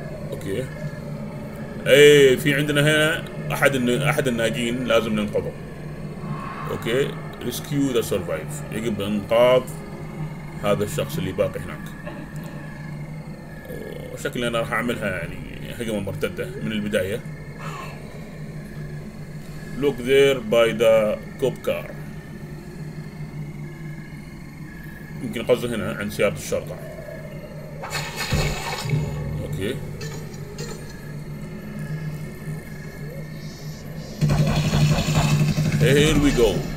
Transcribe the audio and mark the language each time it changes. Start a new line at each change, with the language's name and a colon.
Arabic: اوكي اي في عندنا هنا احد الناجين لازم ننقذه. اوكي ريسكيو ذا سرفايف. يجب انقاذ هذا الشخص اللي باقي هناك. وشكلي انا راح اعملها يعني هجمة مرتدة من البداية.
English: Look there by the cop car.
Arabic: يمكن قصده هنا عند سيارة الشرطة.
English: Okay here we go.